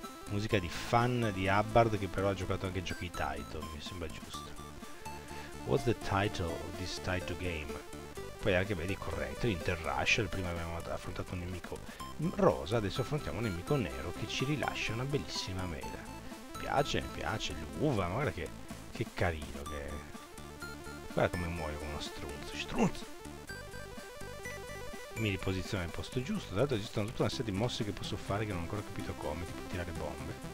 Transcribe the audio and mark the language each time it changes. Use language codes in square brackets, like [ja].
[it] Musica di fan di Hubbard che però ha giocato anche giochi Taito, mi sembra giusto. [en] What's the title of this Taito game? [it] Poi anche, vedi, corretto, Interracial, prima abbiamo affrontato un nemico rosa, adesso affrontiamo un nemico nero che ci rilascia una bellissima mela. Piace, piace, l'uva, ma guarda che carino che è. Guarda come muoio con uno strunzo, strunzo! Mi riposiziono nel posto giusto, dato che esistono tutta una serie di mosse che posso fare che non ho ancora capito come, tipo tirare bombe.